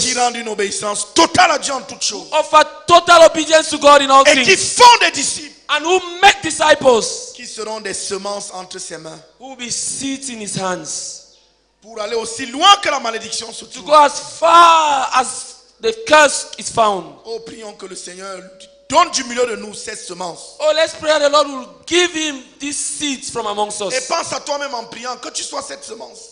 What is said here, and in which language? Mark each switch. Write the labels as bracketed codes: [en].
[fr] qui rendent une obéissance totale à Dieu en toutes choses. [en] Offer total obedience to God in all [fr] et [en] things. [fr] Et qui font des disciples. [en] And who make disciples. [fr] Qui seront des semences entre ses mains. [en] Who will be seeds in his hands. [fr] Pour aller aussi loin que la malédiction se trouve. [en] To go as far as the curse is found. [fr] Oh, prions que le Seigneur donne du milieu de nous ces semences. [en] Oh, let's pray the Lord will give him these seeds from amongst us. [fr] Et pense à toi-même en priant que tu sois cette semence.